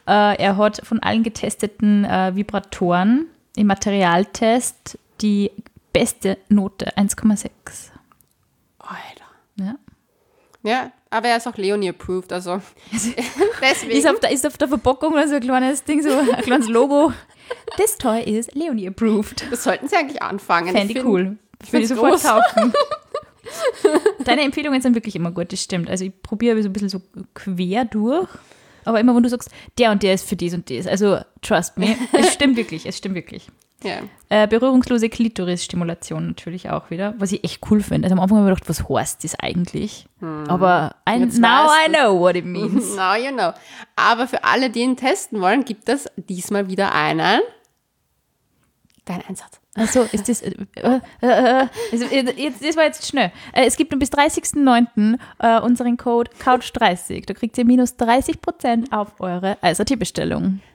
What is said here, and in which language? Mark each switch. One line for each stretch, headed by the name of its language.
German: Er hat von allen getesteten Vibratoren im Materialtest die beste Note, 1,6. Alter. Ja. Ja, aber er ist auch Leonie approved, also deswegen. Ist auf der Verpackung so ein kleines Ding, so ein kleines Logo.
English: This toy is Leonie approved.
German: Das sollten sie eigentlich anfangen. Fände ich cool. Ich würde sofort kaufen. Deine Empfehlungen sind wirklich immer gut, das stimmt. Also ich probiere so ein bisschen so quer durch. Aber immer, wenn du sagst, der und der ist für dies und dies. Also
English: trust me,
German: es stimmt wirklich, es stimmt wirklich.
English: Yeah.
German: Berührungslose Klitoris-Stimulation natürlich auch wieder, was ich echt cool finde. Also am Anfang habe ich gedacht, was heißt das eigentlich? Hm.
English: Aber now I know what it means. Now you know.
German: Aber für alle, die ihn testen wollen, gibt es diesmal wieder einen. Dein Einsatz. Also ist das, das war jetzt schnell. Es gibt nur bis 30.09. unseren Code COUCH30. Da kriegt ihr minus 30% auf eure Eis.at-Bestellung.